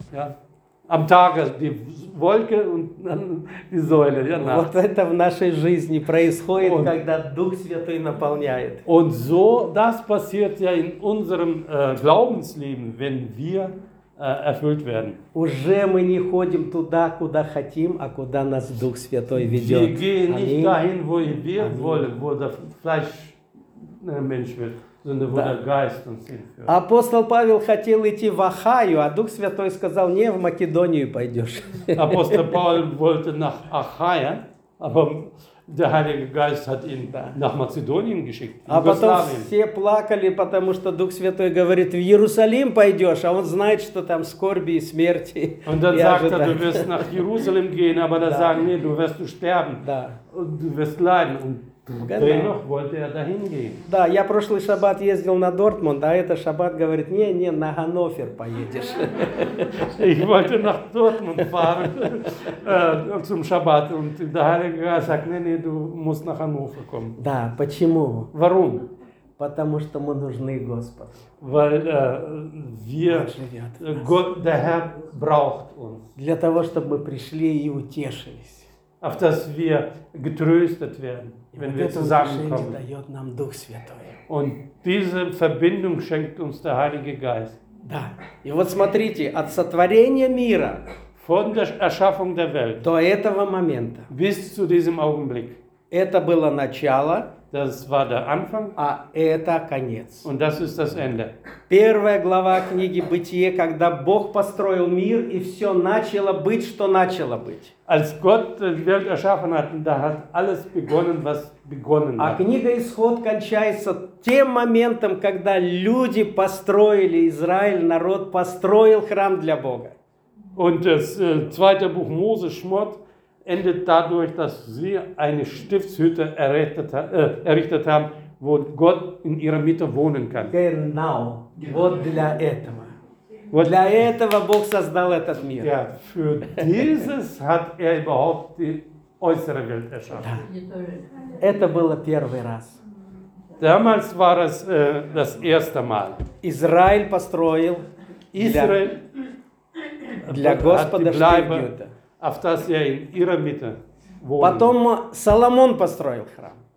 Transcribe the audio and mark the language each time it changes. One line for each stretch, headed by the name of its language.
German: Ja. Am Tage die Wolke und dann die Säule. Ja,
Russian: вот это в нашей жизни происходит, und, когда Дух Святой наполняет.
German: Und so, das passiert ja in unserem Glaubensleben, wenn wir erfüllt werden.
Russian: Уже мы не ходим туда, куда хотим, а куда нас Дух Святой ведет.
German: Wir gehen nicht dahin, wo wir wollen, wo der Fleisch Mensch wird, sondern wo der Geist uns hinführt.
Russian: Апостол Павел хотел идти в Ахаю, а Дух Святой сказал, не, в Македонию пойдешь.
German: Апостол Павел wollte nach Achaia, aber der Heilige Geist hat ihn nach Mazedonien geschickt.
Russian: А потом все плакали, потому что Дух Святой говорит, в Иерусалим пойдешь, а он знает, что там скорби и смерти.
German: Und dann sagt er, du wirst nach Jerusalem gehen, aber da sagen, nee, du wirst sterben. Да. Du wirst leiden. Und dennoch wollte er dahin gehen.
Russian: Да, я прошлый шаббат ездил на Дортмунд, а этот шаббат говорит, не, не, на Ганновер поедешь.
German: Ich wollte nach Dortmund fahren zum Shabbat. Und der Heilige Geist sagt, nee, nee, du musst nach Hannover kommen.
Russian: Да, почему?
German: Warum?
Russian: Потому что мы нужны Господу.
German: Weil der Herr braucht uns.
Russian: Для того, чтобы мы пришли и утешились.
German: Auf dass wir getröstet werden. Wenn wir zusammenkommen. Und diese Verbindung schenkt uns der Heilige Geist. Да.
Russian: И вот смотрите, от сотворения мира
German: von der Erschaffung der Welt
Russian: до этого момента
German: bis zu diesem Augenblick.
Russian: Это было начало.
German: Das war der Anfang.
Russian: А это конец.
German: Und das ist das Ende.
Russian: Первая глава книги Бытие, когда Бог построил мир и все начало быть, что начало быть.
German: Als Gott die Welt erschaffen hat, da hat alles begonnen, was begonnen hat.
Russian: А книга Исход кончается тем моментом, когда люди построили Израиль, народ построил храм для Бога.
German: Und das zweite Buch Mose Schmott endet dadurch, dass sie eine Stiftshütte errichtet haben, wo Gott in ihrer Mitte wohnen kann.
Russian: Genau. Вот для этого. Вот для этого Бог создал этот мир.
German: Ja, für dieses hat überhaupt die äußere Welt erschaffen. Да.
Russian: Это было первый раз.
German: Damals war es das erste Mal.
Russian: Израиль построил
German: Israel
Russian: для Господа
German: Штифтюта. Auf das er in ihrer Mitte wohnt.
Russian: Потом Соломон построил храм.